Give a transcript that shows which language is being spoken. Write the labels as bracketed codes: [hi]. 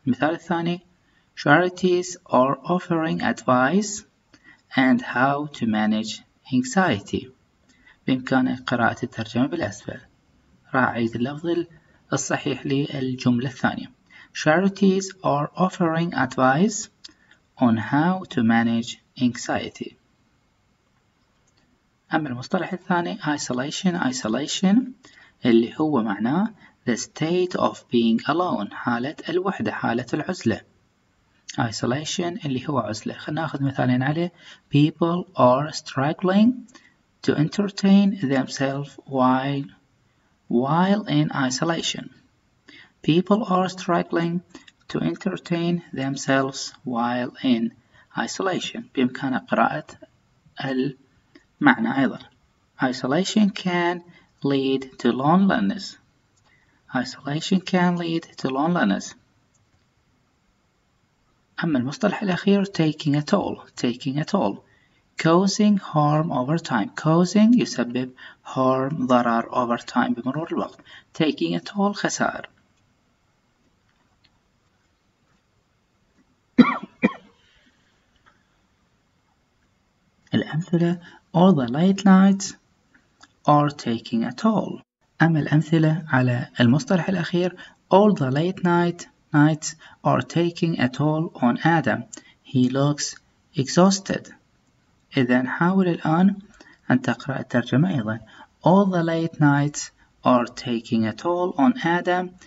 [ar] مثال الثاني [en] charities are offering advice and how to manage anxiety. [ar] بإمكانك قراءة الترجمة بالأسفل. راح أعيد اللفظ الصحيح للجملة الثانية. [en] Charities are offering advice on how to manage anxiety. [ar] أما المصطلح الثاني isolation اللي هو معناه [en] the state of being alone، [ar] حالة الوحدة، حالة العزلة. isolation اللي هو عزلة. خلنا نأخذ مثالين عليه. [en] People are struggling to entertain themselves while in isolation. People are struggling to entertain themselves while in isolation. [ar] بإمكان قراءة المعنى أيضا. [en] Isolation can lead to loneliness. Isolation can lead to loneliness. [ar] أما المصطلح الأخير taking a toll. [en] Causing harm over time. Causing [ar] يسبب [en] harm [ar] ضرر [en] over time [ar] بمرور الوقت. [en] Taking a toll [ar] خسائر. الأمثلة [en] All the late nights are taking a toll. [ar] أما الأمثلة على المصطلح الأخير [en] All the late nights are taking a toll on Adam. He looks exhausted. [ar] إذن حاول الآن أن تقرأ الترجمة أيضا. [en] All the late nights are taking a toll on Adam.